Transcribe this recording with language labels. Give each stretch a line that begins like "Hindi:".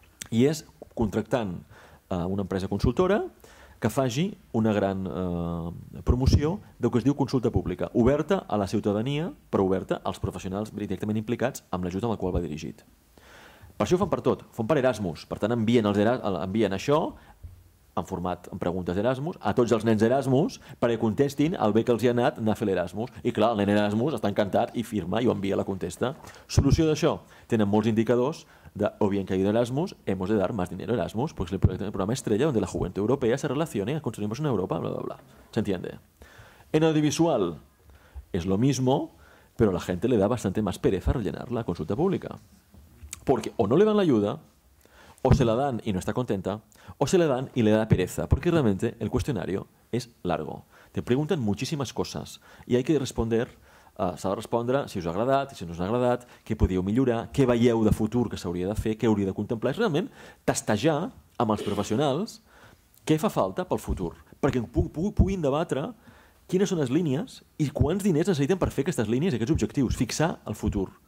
Catalan: I és contractant una empresa consultora que faci una gran promoció del que es diu consulta pública, oberta a la ciutadania, però oberta als professionals directament implicats amb l'ajut amb la qual va dirigit. Per això ho fan per tot. Fan per Erasmus. Per tant, envien això en format amb preguntes d'Erasmus, a tots els nens d'Erasmus perquè contestin el bé que els hi ha anat a fer l'Erasmus. I clar, el nen Erasmus està encantat i firma i ho envia la contesta. Solució d'això. Tenen molts indicadors de,
Spanish: o bien que hay un Erasmus, hemos de dar más dinero a Erasmus, pues el programa estrella donde la juventud europea se relacione a construir una Europa, bla, bla, bla. ¿Se entiende? En audiovisual es lo mismo, pero la gente le da bastante más pereza rellenar la consulta pública. Porque o no le dan la ayuda, o se la dan y no está contenta, o se la dan y le da pereza, porque realmente el cuestionario es largo. Te pregunten muchísimas cosas y hay que responder,
Catalan: s'ha de respondre si us ha agradat, si no us ha agradat, què podíeu millorar, què veieu de futur que s'hauria de fer, què hauria de contemplar. És realment testejar amb els professionals què fa falta pel futur, perquè puguin debatre quines són les línies i quants diners necessiten per fer aquestes línies i aquests objectius, fixar el futur.